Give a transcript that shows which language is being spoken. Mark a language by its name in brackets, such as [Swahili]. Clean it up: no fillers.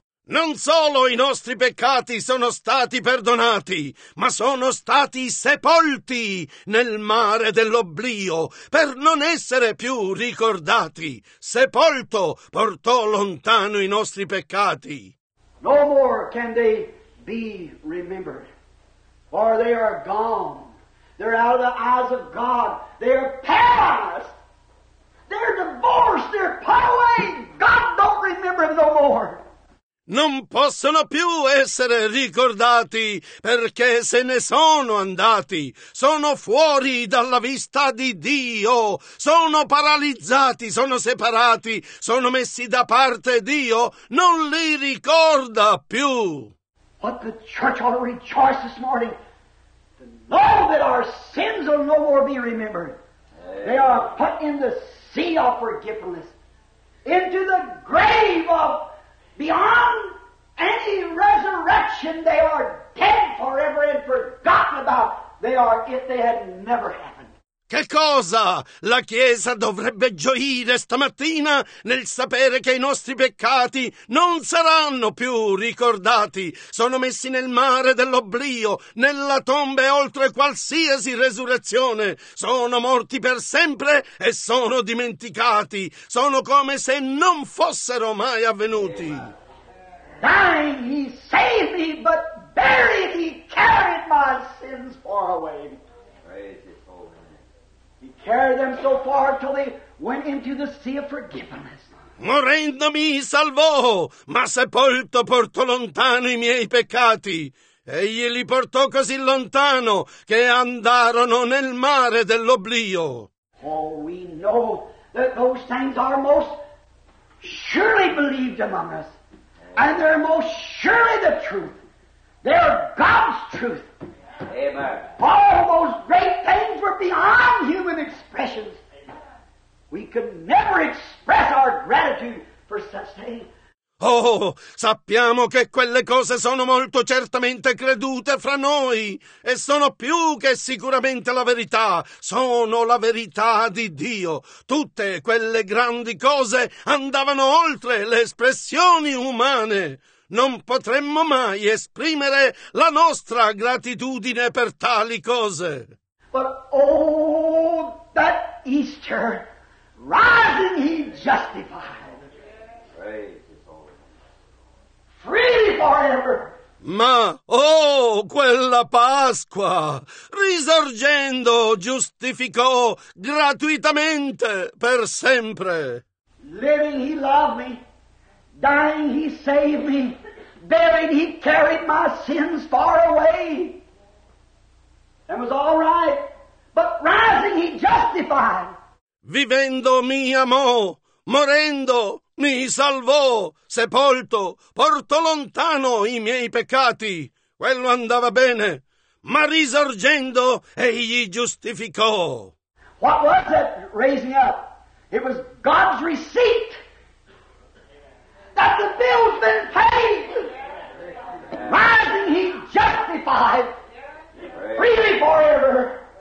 [Italian] Non solo i nostri peccati sono stati perdonati, ma sono stati sepolti nel mare dell'oblio per non essere più ricordati. Sepolto portò lontano i nostri peccati. [English] No more can they be remembered, for they are gone. They're out of the eyes of God. They're past. They're divorced. They're put away. God don't remember them no more. [Italian] Non possono più essere ricordati, perché se ne sono andati, sono fuori dalla vista di Dio, sono paralizzati, sono separati, sono messi da parte Dio, non li ricorda più. [English] What the church ought to rejoice this morning, to know that our sins will no more be remembered. They are put in the sea of forgiveness, into the grave of beyond any resurrection, they are dead forever and forgotten about. They are if they had never happened. [Italian] Che cosa? La Chiesa dovrebbe gioire stamattina nel sapere che i nostri peccati non saranno più ricordati. Sono messi nel mare dell'oblio, nella tomba e oltre qualsiasi resurrezione. Sono morti per sempre e sono dimenticati. Sono come se non fossero mai avvenuti. [English] Dying, he saved me, but buried, he carried my sins far away. He carried them so far till they went into the sea of forgiveness. [Italian] Morendo mi salvò, ma sepolto portò lontano i miei peccati. Egli li portò così lontano che andarono nel mare dell'oblio. [English] For we know that those things are most surely believed among us. And they're most surely the truth. They're God's truth. Amen. All those great things were beyond human expressions. We could never express our gratitude for such things. [Italian] Oh, sappiamo che quelle cose sono molto certamente credute fra noi e sono più che sicuramente la verità, sono la verità di Dio. Tutte quelle grandi cose andavano oltre le espressioni umane. Non potremmo mai esprimere la nostra gratitudine per tali cose. [English] But oh, that Easter, rising he justified. Free forever. [Italian] Ma, oh, quella Pasqua, risorgendo, giustificò gratuitamente per sempre. [English] Living he loved me, dying he saved me, buried he carried my sins far away. That was all right, but rising he justified. [Italian] Vivendo mi amò, morendo mi salvò, sepolto, portò lontano i miei peccati. Quello andava bene, ma risorgendo, egli giustificò. [English] What was that raising up? It was God's receipt that the bill's been paid. Rising, he justified freely forever.